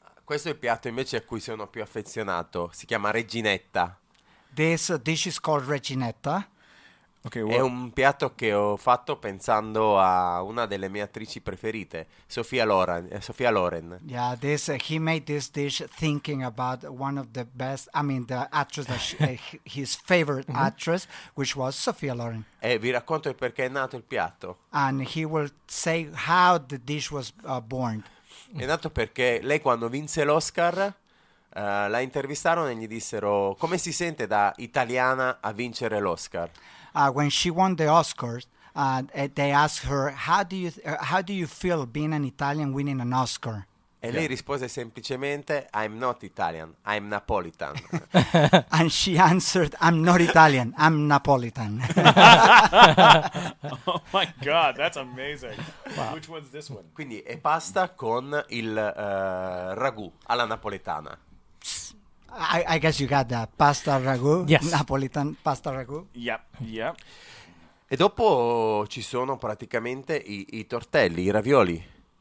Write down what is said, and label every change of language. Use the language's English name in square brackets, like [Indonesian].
[Italian] Questo è il piatto invece a cui sono più affezionato. Si chiama Reginetta. [English] This dish is called Reginetta. Okay, [Italian] è un piatto che ho fatto pensando a una delle mie attrici preferite, Sophia Loren. [English] Yeah, this he made this dish thinking about one of the best, I mean the actress that his favorite actress, which was Sophia Loren. [Italian] E vi racconto il perché è nato il piatto. [English] And he will say how the dish was born. [Italian] È nato perché lei quando vinse l'Oscar la intervistarono e gli dissero come si sente da italiana a vincere l'Oscar. [English] When she won the Oscars, they asked her, "How do you feel being an Italian winning an Oscar?" Yeah. [Italian] Lei rispose semplicemente, [English] I'm not Italian, I'm Napolitan. And she answered, I'm not Italian, I'm Napolitan. Oh my God, that's amazing. Wow. Which one's this one? [Italian] Quindi è pasta con il ragù alla napoletana. [English] I guess you got that. Pasta ragù, yes. Napolitan pasta ragù. Yep, yep. [Italian] E dopo ci sono praticamente i tortelli, i ravioli.